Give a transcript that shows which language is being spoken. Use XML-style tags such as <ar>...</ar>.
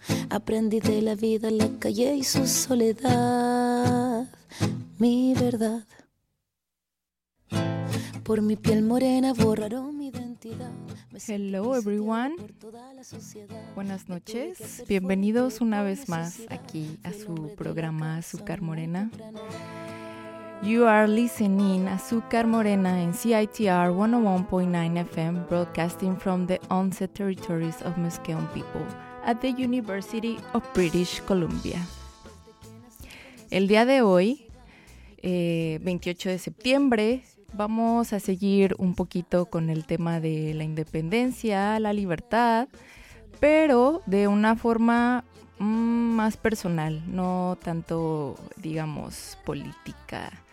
<es>Aprendí de la vida, la calle y su soledad. Mi verdad. Por mi piel morena borraron mi identidad.</es> <en>Hello everyone.</en> <es>Buenas noches. Bienvenidos una vez más aquí a su programa Azúcar Morena.</es> <en>You are listening Azúcar Morena en CITR 101.9 FM, broadcasting from the 11 territories of Musqueam people at the University of British Columbia.</en> <es>El día de hoy, 28 de septiembre, vamos a seguir un poquito con el tema de la independencia, la libertad, pero de una forma más personal, no tanto, digamos, política.</es>